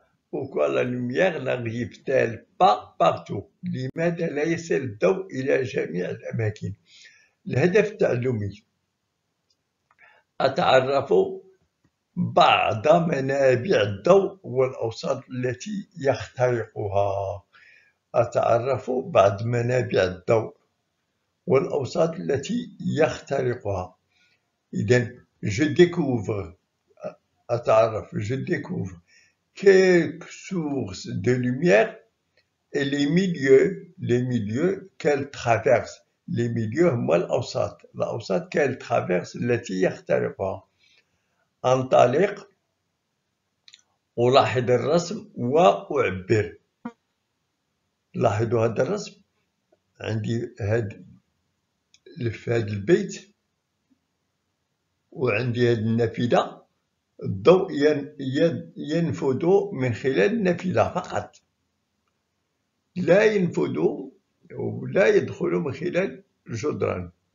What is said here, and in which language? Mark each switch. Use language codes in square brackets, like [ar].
[fr] Pourquoi la lumière n'arrive-t-elle pas partout؟ [ar] لماذا لا يصل الضوء إلى جميع الأماكن؟ الهدف التعلمي أتعرف بعض منابع الضوء والأوساط التي يخترقها. أتعرف بعض منابع الضوء والأوساط التي يخترقها. [fr] إذن je découvre. [ar] أتعرف [fr] je découvre quelques sources de lumière et les milieux qu'elle traverse. Les milieux [ar] هما الأوساط. الأوساط [fr] qu'elle traverse [ar] التي يخترقها. أنطلق ألاحظ الرسم وأعبر. لاحظوا هذا الرسم، عندي هاد لف هاد البيت وعندي هاد النافذة، الضوء ينفذ من خلال النافذة فقط، لا ينفذ ولا يدخل من خلال الجدران.